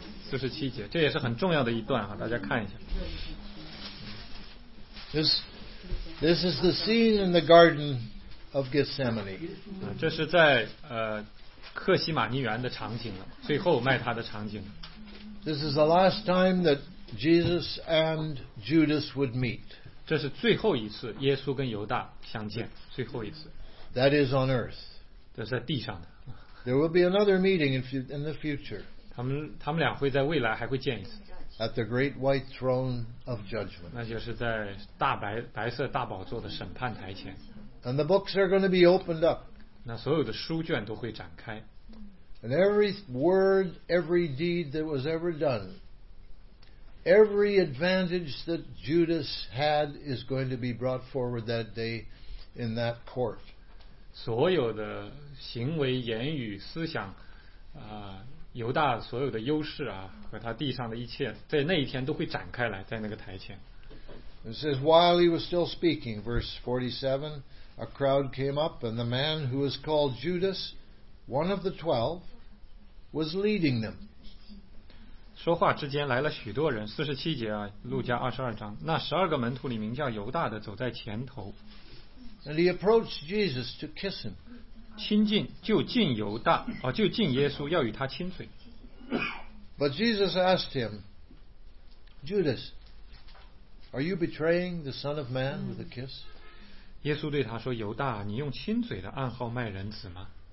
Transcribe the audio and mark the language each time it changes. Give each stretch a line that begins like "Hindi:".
Chinese: 47节，这也是很重要的一段啊，大家看一下。
English: This is the scene in the Garden of Gethsemane.
Chinese: 这是在克西马尼园的场景了，最后卖他的场景。
English: This is the last time that Jesus and Judas would meet.
Chinese: 这是最后一次耶稣跟犹大相见，最后一次。
English: That is on earth.
Chinese: 这是在地上的。
English: There will be another meeting in the future.
Chinese: 他们俩会在未来还会见一次。
English: At the great white throne of judgment.
Chinese: 那就是在白色大宝座的审判台前。
English: And the books are going to be opened up.
Chinese: 那所有的书卷都会展开。
English: And every word, every deed that was ever done. Every advantage that Judas had is going to be brought forward that day in that court.
Chinese: 所有的行为、言语、思想，犹大所有的优势啊，和他地上的一切，在那一天都会展开来，在那个台前。
English: It says, while he was still speaking, verse 47, a crowd came up, and the man who was called Judas, one of the twelve, was leading them.
Chinese: 说话之间来了许多人，四十七节啊，路加二十二章，那十二个门徒里名叫犹大的走在前头。
English: And he approached Jesus to kiss him.
Chinese: 就近耶稣要与他亲嘴。
English: But Jesus asked him, Judas, are you betraying the Son of Man with a kiss?
Chinese: 耶稣对他说，犹大，你用亲嘴的暗号卖人子吗？